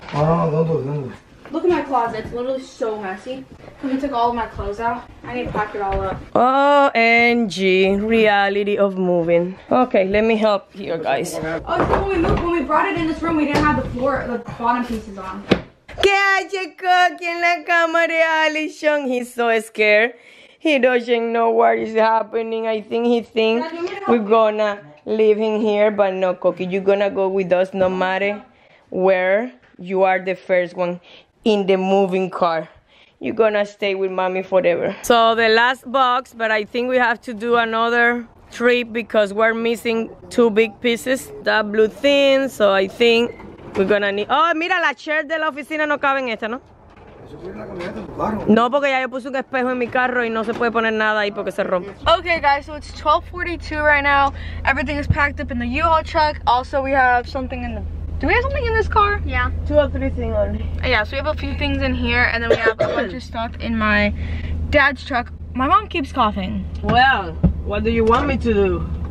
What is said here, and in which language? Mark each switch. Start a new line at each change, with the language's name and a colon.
English: Oh, no, don't do it, don't do it. Look at my closet, it's literally so messy. We took all of my clothes out. I need to pack it all up. OMG, reality of moving. Okay, let me help here, guys. Oh, so when we moved, when we brought it in this room, we didn't have the floor, the bottom pieces on.
Spanish: ¿Qué ha hecho aquí en la cama de Alison?
English: He's so scared. He doesn't know what is happening. I think he thinks we're gonna leave him here, but no, Coqui, you're gonna go with us no matter where. You are the first one in the moving car. You're gonna stay with Mommy forever. So the last box, but I think we have to do another trip because we're missing two big pieces. That blue thing, so I think we're gonna need...
Spanish: Oh, mira, la chair de la oficina no cabe en esta, ¿no? No, porque ya yo puse un espejo en mi carro y no se puede poner nada ahí porque se rompe.
English: Okay, guys, so it's 12:42 right now. Everything is packed up in the U-Haul truck. Also, we have something in the... Do we have something in this car? Yeah. Two or three things only. Yeah, so we have a few things in here, and then we have a bunch of stuff in my dad's truck. My mom keeps coughing. Well, what do you want me to do?